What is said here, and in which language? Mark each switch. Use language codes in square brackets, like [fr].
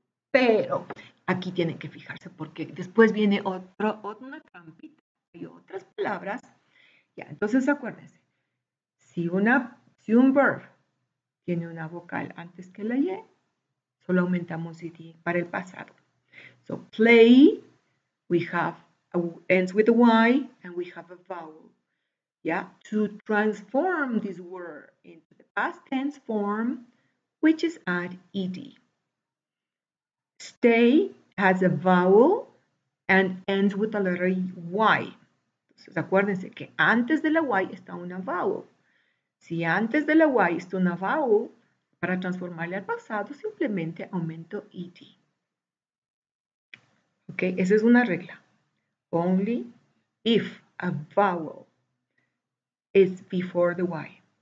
[es] Pero aquí tienen que fijarse porque después viene otra trampita y otras palabras. Ya, entonces, acuérdense, Si un verb tiene una vocal antes que la y, solo aumentamos ed para el pasado. [en] So, play, ends with a y, and we have a vowel. Yeah? To transform this word into the past tense form, which is add ed. Stay has a vowel and ends with a letter y. [es] Entonces, acuérdense que antes de la y está una vowel. Si antes de la y está una vowel, para transformarle al pasado, simplemente aumento ed. [en] ¿Ok? [es] Esa es una regla. [en] Only if a vowel is before the y.